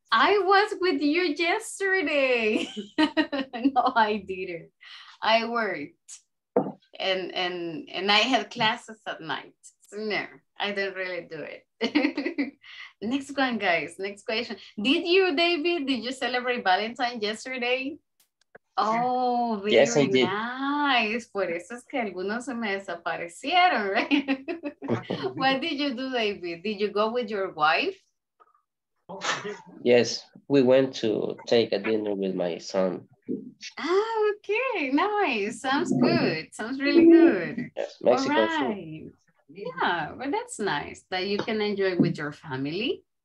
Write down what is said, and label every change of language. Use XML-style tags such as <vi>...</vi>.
<en>I was with you yesterday. No, I didn't. I worked. And I had classes at night. So no, I didn't really do it. Next one, guys. Next question. Did you, David, did you celebrate Valentine yesterday? Oh, very yes, I did. Nice.</en> <es>Por eso es que algunos se me desaparecieron, right?</es> <en>What did you do, David? Did you go with your wife? Yes, we went to take a dinner with my son. Ah, okay, nice. Sounds good. Sounds really good. Yes, Mexican All right. food. Yeah, well, that's nice that you can enjoy with your family.</en>